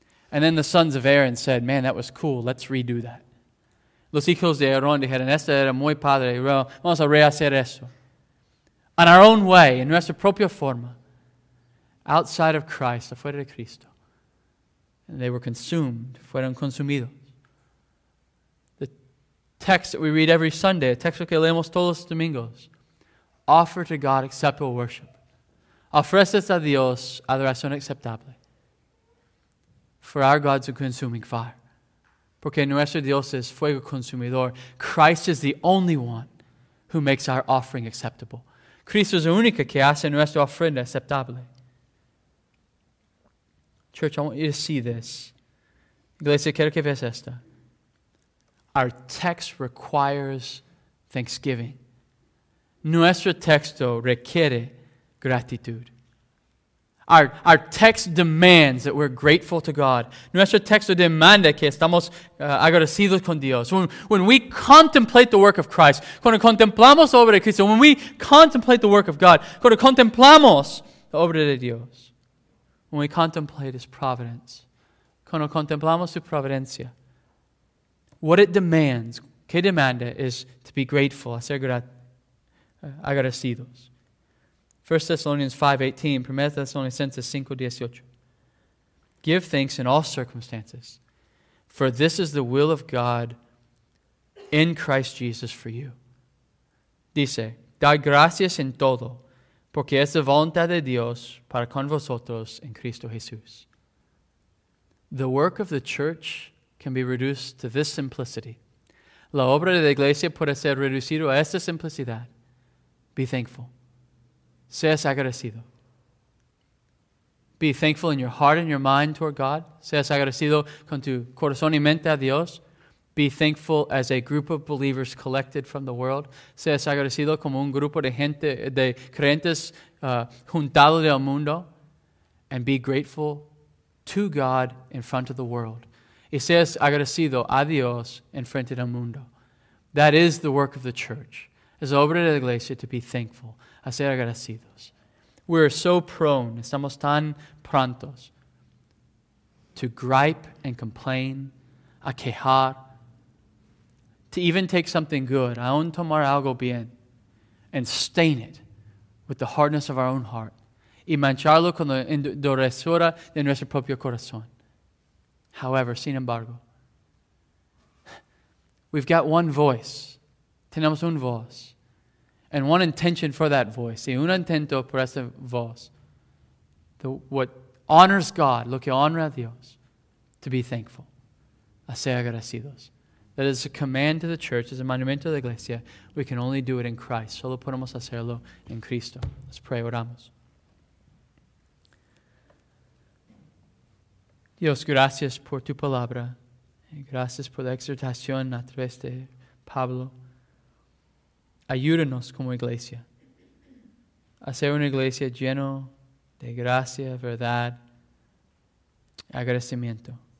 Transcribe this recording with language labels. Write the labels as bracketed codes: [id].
[en] And then the sons of Aaron said, man, that was cool, let's redo that. [es] Los hijos de Aarón dijeron, este era muy padre, vamos a rehacer eso. [en] On our own way, [es] en nuestra propia forma, [en] outside of Christ, [es] afuera de Cristo, [en] and they were consumed, [es] fueron consumidos. [en] The text that we read every Sunday, [es] el texto que leemos todos los domingos, [en] offer to God acceptable worship. [es] Ofreces a Dios adoración aceptable. [en] For our God's a consuming fire. [es] Porque nuestro Dios es fuego consumidor. [en] Christ is the only one who makes our offering acceptable. [es] Cristo es el único que hace nuestra ofrenda aceptable. [en] Church, I want you to see this. [es] Iglesia, quiero que veas esta. [en] Our text requires thanksgiving. [es] Nuestro texto requiere gratitud. [en] Our text demands that we're grateful to God. [es] Nuestro texto demanda que estamos agradecidos con Dios. [en] When we contemplate the work of Christ, [es] cuando contemplamos la obra de Cristo, [en] when we contemplate the work of God, [es] cuando contemplamos la obra de Dios, [en] when we contemplate His providence, [es] cuando contemplamos su providencia, [en] what it demands, [es] que demanda, [en] is to be grateful, [es] ser agradecidos. [en] 1 Thessalonians 5:18, 1 Thessalonians 5:18. Give thanks in all circumstances, for this is the will of God in Christ Jesus for you. [es] Dice, dar gracias en todo, porque es la voluntad de Dios para con vosotros en Cristo Jesús. [en] The work of the church can be reduced to this simplicity. [es] La obra de la iglesia puede ser reducida a esta simplicidad. [en] Be thankful. [es] Seas agradecido. [en] be thankful in your heart and your mind toward God. [es] Seas agradecido con tu corazón y mente a Dios. [en] Be thankful as a group of believers collected from the world. [es] Seas agradecido como un grupo de gente, de creyentes juntado del mundo. [en] And be grateful to God in front of the world. [es] Y seas agradecido a Dios en frente del mundo. [en] That is the work of the church. [es] Es obra de la iglesia [en] to be thankful. [es] A ser agradecidos. [en] We're so prone, [es] estamos tan prontos [en] to gripe and complain, [es] a quejar, [en] to even take something good, [es] aun tomar algo bien, [en] and stain it with the hardness of our own heart, [es] y mancharlo con la endurezura de nuestro propio corazón. [en] However, [es] sin embargo, [en] we've got one voice, [es] tenemos un voz, [en] and one intention for that voice, [es] y un intento por esa voz, [en] what honors God, [es] lo que honra a Dios, [en] to be thankful, [es] a ser agradecidos. [en] That is a command to the church, is a [es] mandamiento de la iglesia. [en] We can only do it in Christ. [es] Solo podemos hacerlo en Cristo. [en] Let's pray, [es] oramos. Dios, gracias por tu palabra. Gracias por la exhortación a través de Pablo. Ayúdanos como iglesia a ser una iglesia lleno de gracia, verdad, agradecimiento.